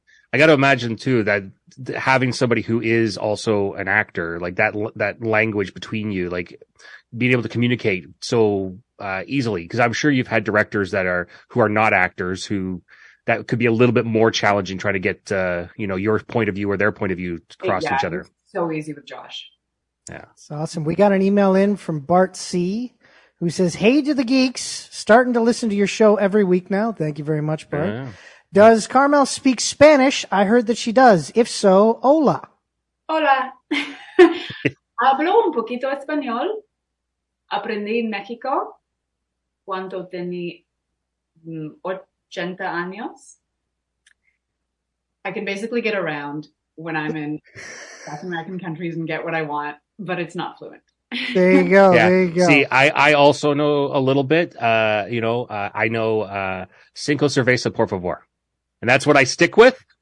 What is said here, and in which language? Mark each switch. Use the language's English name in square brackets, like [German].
[English] I got to imagine too, that having somebody who is also an actor, like that language between you, like being able to communicate so easily, because I'm sure you've had directors who are not actors, who that could be a little bit more challenging trying to get, you know, your point of view or their point of view to cross each other. So easy with Josh. Yeah. It's awesome. We got an email in from Bart C, who says, hey to the geeks, starting to listen to your show every week now. Thank you very much, Bart. Yeah. Does Carmel speak Spanish? I heard that she does. If so, hola. [Spanish] Hola. Hablo un poquito español. Aprendí en México cuando tenía 80 años. [English] I can basically get around when I'm in South American countries and get what I want, but it's not fluent. There you go. Yeah. There you go. See, I also know a little bit. I know [Spanish] cinco cerveza por favor. [English] And that's what I stick with.